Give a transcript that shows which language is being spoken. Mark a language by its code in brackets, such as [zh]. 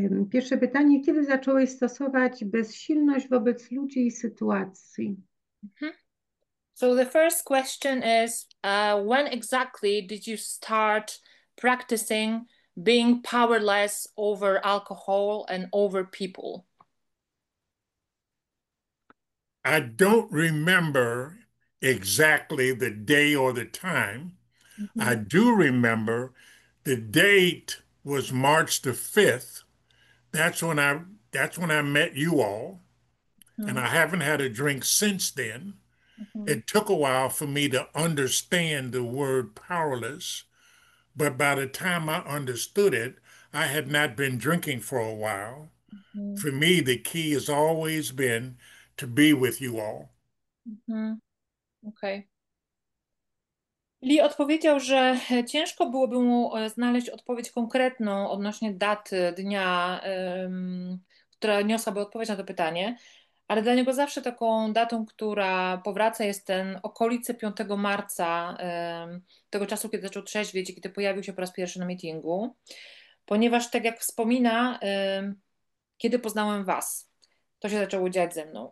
[pl] Pierwsze pytanie: kiedy zacząłeś stosować bezsilność wobec ludzi i sytuacji? [en] So the first question is, when exactly did you start practicing being powerless over alcohol and over people? I don't remember exactly the day or the time. I do remember. The date was March the 5th. That's when I met you all, and I haven't had a drink since then. It took a while for me to understand the word powerless, but by the time I understood it, I had not been drinking for a while. For me, the key has always been to be with you all. Okay. [pl] Lee odpowiedział, że ciężko byłoby mu znaleźć odpowiedź konkretną odnośnie daty, dnia, która niosłaby odpowiedź na to pytanie, ale dla niego zawsze taką datą, która powraca, jest ten okolice 5 marca, tego czasu, kiedy zaczął trzeźwieć i kiedy pojawił się po raz pierwszy na meetingu, ponieważ tak jak wspomina, kiedy poznałem was, to się zaczęło dziać ze mną.